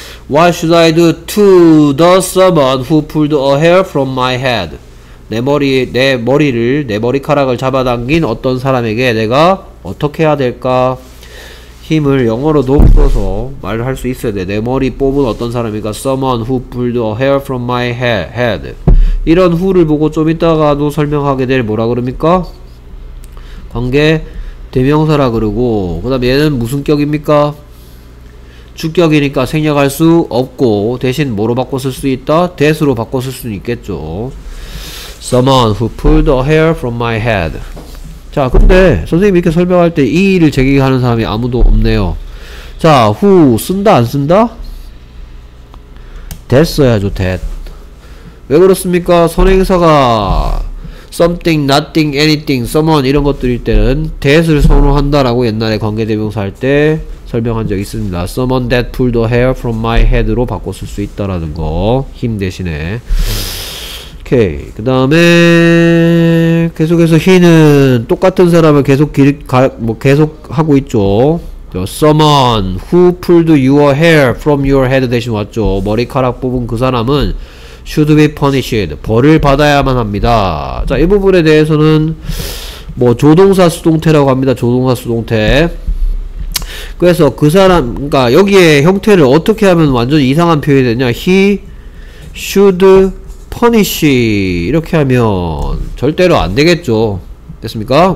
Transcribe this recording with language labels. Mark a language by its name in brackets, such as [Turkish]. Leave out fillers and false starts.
[English] What should I do to the someone who pulled a hair from my head? [Korean] 내 머리카락을 잡아당긴 어떤 사람에게 내가 어떻게 해야 될까? 힘을 영어로도 풀어서 말을 할 수 있어야 돼. 내 머리 뽑은 어떤 사람인가? [English] Someone who pulled a hair from my head. [Korean] 이런 who를 보고 좀 이따가도 설명하게 될 뭐라 그럽니까? 관계 대명사라 그러고, 그 다음에 얘는 무슨 격입니까? 주격이니까 생략할 수 없고, 대신 뭐로 바꿔 쓸 수 있다? that로 바꿔 쓸 수 있겠죠. [English] Someone who pulled a hair from my head. [Korean] 자, 근데 선생님이 이렇게 설명할 때 이의를 제기하는 사람이 아무도 없네요. 자, who 쓴다 안 쓴다? that 써야죠, that. 왜 그렇습니까? 선행사가 something, nothing, anything, someone 이런 것들일 때는 that을 선호한다라고 옛날에 관계대명사 할 때 설명한 적 있습니다. [English] someone that pulled a hair from my head로 [Korean] 바꿔 쓸 수 있다라는 거, him 대신에. 오케이, 그 다음에 계속해서 he는 똑같은 사람을 계속 계속 하고 있죠. [English] someone who pulled your hair from your head [Korean] 대신 왔죠. 머리카락 뽑은 그 사람은 [English] should be punished, [Korean] 벌을 받아야만 합니다. 자, 이 부분에 대해서는 뭐 조동사 수동태라고 합니다. 조동사 수동태. 그래서 그 사람, 그러니까 여기에 형태를 어떻게 하면 완전 이상한 표현이 되냐, [English] he should punish [Korean] 이렇게 하면 절대로 안 되겠죠. 됐습니까?